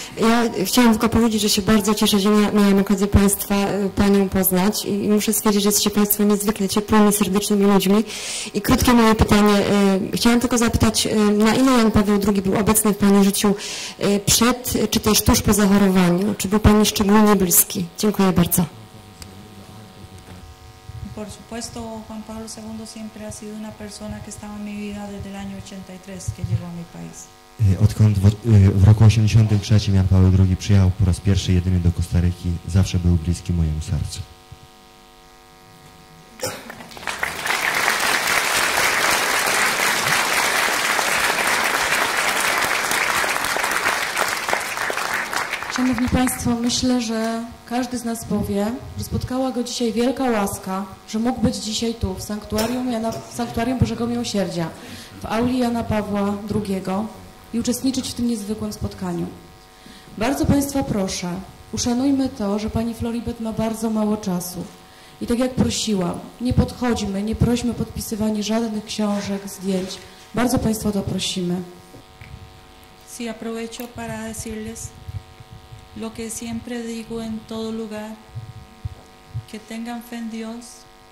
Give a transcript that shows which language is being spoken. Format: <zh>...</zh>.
<pl>Ja chciałam tylko powiedzieć, że się bardzo cieszę, że miałam okazję Państwa, Panią poznać i muszę stwierdzić, że jesteście Państwo niezwykle ciepłymi, serdecznymi ludźmi. I krótkie moje pytanie. Chciałam tylko zapytać, na ile Jan Paweł II był obecny w Pani życiu przed, czy też tuż po zachorowaniu? Czy był Pani szczególnie bliski? Dziękuję bardzo.</pl> <es>Por supuesto, Juan Pablo II siempre ha sido una persona que estaba en mi vida desde el año 83, que llegó a mi país.</es> <pl>Odkąd w roku 83 Jan Paweł II przyjechał po raz pierwszy jedyny do Kostaryki, zawsze był bliski mojemu sercu. Szanowni Państwo, myślę, że każdy z nas powie, że spotkała go dzisiaj wielka łaska, że mógł być dzisiaj tu, w sanktuarium Bożego Miłosierdzia, w auli Jana Pawła II. I uczestniczyć w tym niezwykłym spotkaniu. Bardzo Państwa proszę, uszanujmy to, że Pani Floribert ma bardzo mało czasu. I tak jak prosiłam, nie podchodźmy, nie prośmy o podpisywanie żadnych książek, zdjęć. Bardzo Państwa to prosimy.</pl> <es>Si aprovecho para decirles lo que siempre digo en todo lugar, que tengan fe en Dios.</es>